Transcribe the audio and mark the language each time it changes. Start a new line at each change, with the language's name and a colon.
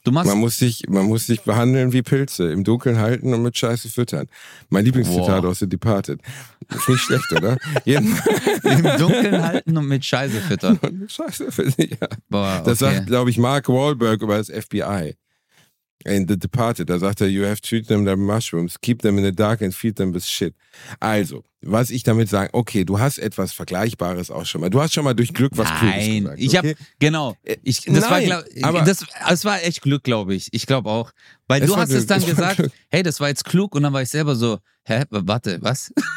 German: du machst man muss sich behandeln wie Pilze, im Dunkeln halten und mit Scheiße füttern. Mein Lieblingszitat aus The Departed. Ist nicht schlecht, oder? Im Dunkeln halten und mit Scheiße füttern. Ja. Boah, okay. Das sagt, glaube ich, Mark Wahlberg über das FBI. In The Departed, da sagt er,
English: you have to treat them like mushrooms, keep them in the dark and feed them with shit.
German: Also, was ich damit sage, okay, du hast etwas Vergleichbares auch schon mal. Du hast schon mal durch Glück was Cooles gesagt. Nein, ich okay? habe, genau. Ich, das, nein, war, glaub, aber, das war echt Glück, glaube ich. Ich glaube auch. Weil du hast es dann gesagt, hey, das war jetzt klug. Und dann war ich selber so, hä, warte, was?